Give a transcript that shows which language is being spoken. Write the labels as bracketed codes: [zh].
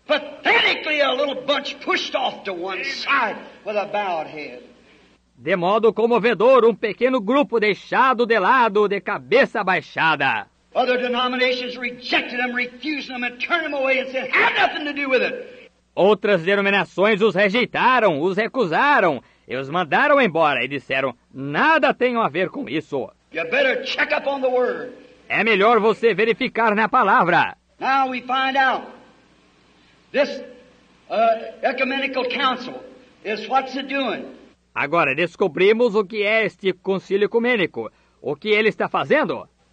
[en] Pathetically, a little bunch pushed off to one side with a bowed head. [pt] De modo comovedor, um pequeno grupo deixado de lado, de cabeça baixada. [en] Other denominations rejected them, refused them, and turned them away and said, "Have nothing to do with it." [pt] Outras denominações os rejeitaram, os recusaram. E os mandaram embora e disseram, nada tem a ver com isso. [en] You better check up on the word. [pt] É melhor você verificar na palavra. [en] Now we find out. This ecumenical council is what's it doing. [pt] Agora descobrimos o que é este concílio ecumênico. O que ele está fazendo?